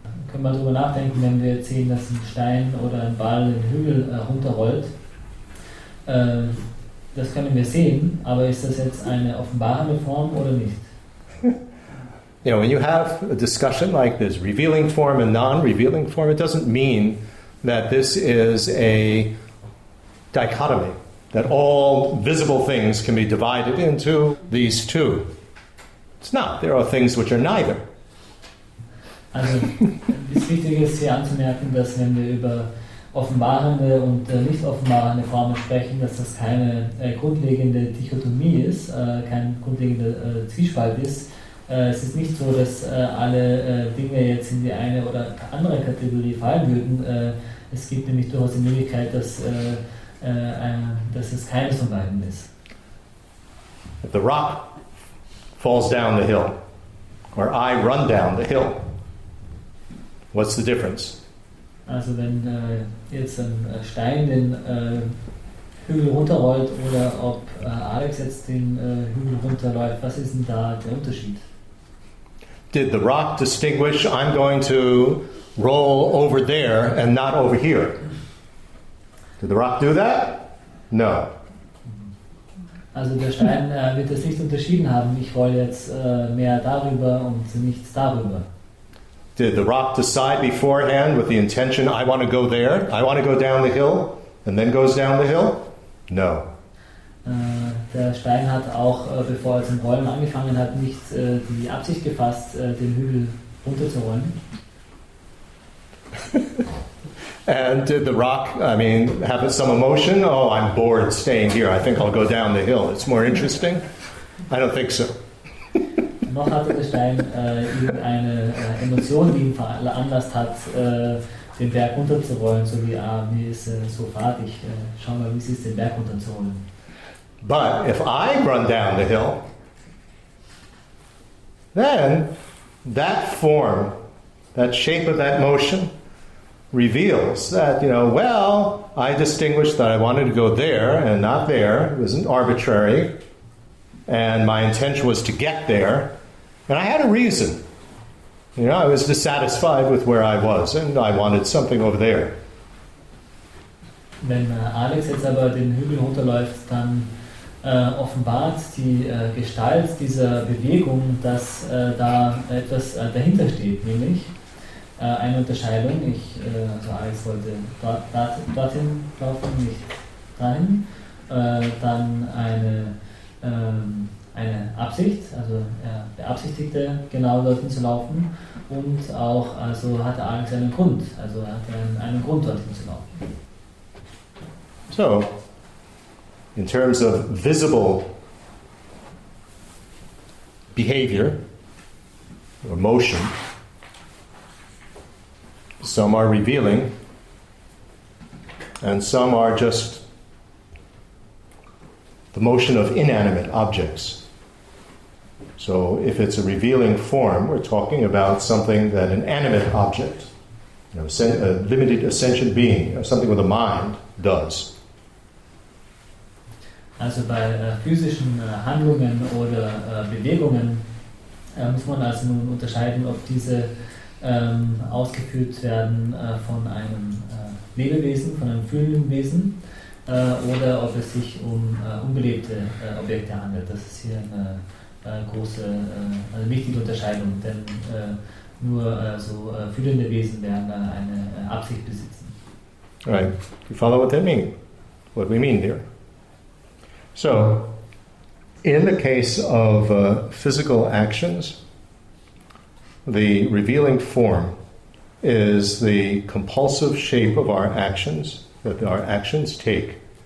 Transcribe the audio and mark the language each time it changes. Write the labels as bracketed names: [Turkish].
[German] Können wir darüber nachdenken, wenn wir sehen, dass ein Stein oder ein Ball den Hügel runterrollt. Das können wir sehen, aber ist das jetzt eine offenbarende Form oder nicht? [English] You know, when you have a discussion like this, revealing form and non-revealing form, it doesn't mean that this is a dichotomy, that all visible things can be divided into these two. It's not. There are things which are neither. [German] Also, es ist wichtig, hier anzumerken, dass wenn wir über offenbarende und nicht offenbarende Formen sprechen, dass das keine grundlegende Dichotomie ist, kein grundlegender Zwiespalt ist. Es ist nicht so, dass alle Dinge jetzt in die eine oder andere Kategorie fallen würden. Es gibt nämlich durchaus die Möglichkeit, dass es keines von beiden ist. [English] If the rock falls down the hill, or I run down the hill, what's the difference? [German] Also wenn jetzt ein Stein den Hügel runterrollt oder ob Alex jetzt den Hügel runterläuft, was ist denn da der Unterschied? [English] Did the rock distinguish, I'm going to roll over there and not over here? Did the rock do that? No. [German] Also der Stein wird das nicht unterschieden haben, ich roll jetzt mehr darüber und nichts darüber. [English] Did the rock decide beforehand with the intention, I want to go there, I want to go down the hill, and then goes down the hill? No. [German] Der Stein hat auch, bevor er zum Rollen angefangen hat, nicht die Absicht gefasst, den Hügel runterzurollen. [English] And did the rock, I mean, have some emotion? Oh, I'm bored staying here, I think I'll go down the hill. It's more interesting? I don't think so. [German] Noch hatte der Stein irgendeine Emotion, die ihn veranlasst hat, den Berg runterzurollen, so wie, ah, mir ist so fadig, schau mal, wie es ist, den Berg runterzurollen. [English] But if I run down the hill, then that form, that shape of that motion reveals that, you know, well, I distinguished that I wanted to go there and not there, it wasn't arbitrary, and my intention was to get there. And I had a reason. You know, I was dissatisfied with where I was and I wanted something over there. [German] Wenn Alex jetzt aber den Hügel runterläuft, dann offenbart die Gestalt dieser Bewegung, dass da etwas dahinter steht, nämlich eine Unterscheidung. Also Alex wollte dorthin laufen, nicht rein. Dann eine Absicht, also er beabsichtigte, genau dorthin zu laufen und auch, also hatte Alex einen Grund, also er hatte einen Grund, dorthin zu laufen. [English] So, in terms of visible behavior or motion, some are revealing and some are just the motion of inanimate objects. So if it's a revealing form, we're talking about something that an animate object, you know, a limited sentient being, or something with a mind, does. [German] Also bei physischen Handlungen oder Bewegungen muss man also nun unterscheiden, ob diese ausgeführt werden von einem Lebewesen, von einem fühlenden Wesen, oder ob es sich um unbelebte Objekte handelt. Das ist hier eine große, also wichtige Unterscheidung, denn nur so fühlende Wesen werden eine Absicht besitzen. [English] Right. You follow what that means? What we mean here? So, in the case of physical actions, the revealing form is the compulsive shape of our actions, that our actions take.